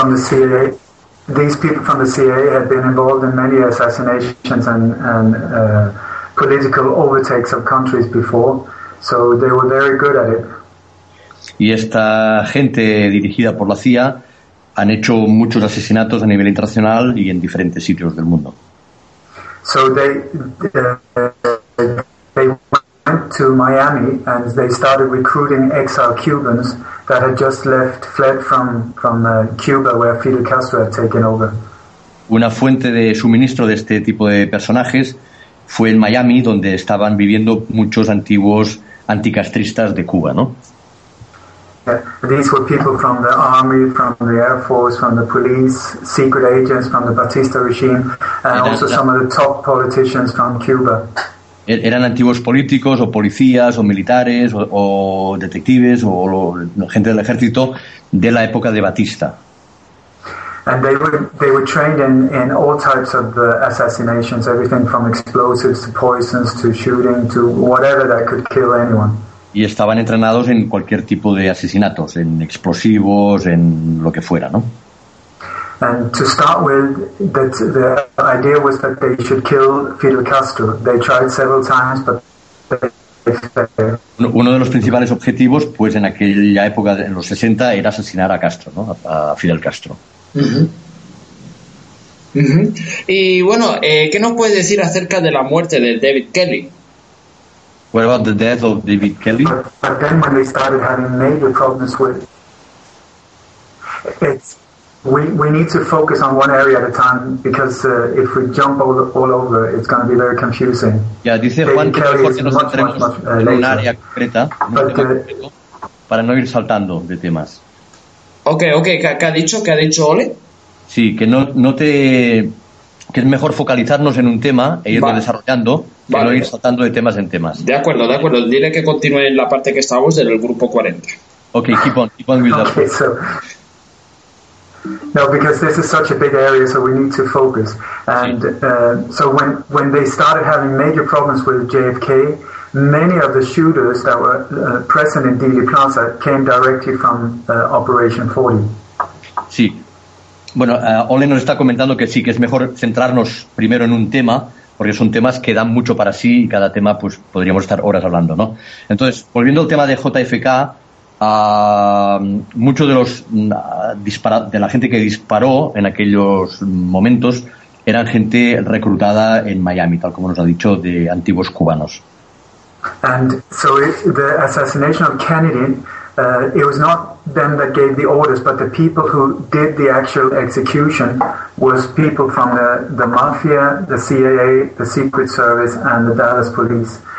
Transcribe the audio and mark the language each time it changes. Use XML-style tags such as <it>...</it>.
<en>These people from the CIA had been involved in many assassinations and political overtakes of countries before, so they were very good at it.</en> <es>Y esta gente dirigida por la CIA han hecho muchos asesinatos a nivel internacional y en diferentes sitios del mundo.</es> <en>So they went to Miami and they started recruiting exiled Cubans that had just fled from Cuba, where Fidel Castro had taken over.</en> <es>Una fuente de suministro de este tipo de personajes fue en Miami, donde estaban viviendo muchos antiguos anticastristas de Cuba, ¿no?</es> <en>These were people from the army, from the air force, from the police, secret agents from the Batista regime, and also some of the top politicians from Cuba.</en> <es>Eran antiguos políticos, o policías, o militares, o detectives, o gente del ejército de la época de Batista.</es> <en>And they were trained in all types of assassinations, everything from explosives to poisons to shooting to whatever that could kill anyone.</en> <es>Y estaban entrenados en cualquier tipo de asesinatos, en explosivos, en lo que fuera, ¿no?</es> <en>And to start with, that the idea was that they should kill Fidel Castro. They tried several times, but they failed.</en> <es>Uno de los principales objetivos, pues en aquella época, en los 60, era asesinar a Castro, ¿no? A Fidel Castro. Uh-huh. Y bueno, ¿qué nos puedes decir acerca de la muerte de David Kelly?</es> <en>What about the death of David Kelly? But then when they started having major problems with it, we need to focus on one area at a time, because if we jump all over, it's going to be very confusing.</en> <es>Yeah, dice David Juan, Kelly que nos entremos en un área concreta, para no ir saltando de temas. Okay, ¿qué ha dicho Ole? Sí, que no te... que es mejor focalizarnos en un tema e irlo desarrollando, que no ir saltando de temas en temas. De acuerdo. Dile que continúe en la parte que estábamos del grupo 40.</es> <en>Okay, keep on with that. Okay, so, no, because this is such a big area, so we need to focus. And so when they started having major problems with JFK, many of the shooters that were present in Dealey Plaza came directly from Operation 40.</en> <es>Sí. Bueno, Ole nos está comentando que sí, que es mejor centrarnos primero en un tema, porque son temas que dan mucho para sí y cada tema pues podríamos estar horas hablando, ¿no? Entonces, volviendo al tema de JFK, mucho de los de la gente que disparó en aquellos momentos eran gente reclutada en Miami, tal como nos ha dicho, de antiguos cubanos.</es> <en>And so the assassination of Kennedy, it was not them that gave the orders, but the people who did the actual execution was people from the Mafia, the CIA, the Secret Service, and the Dallas Police.</en>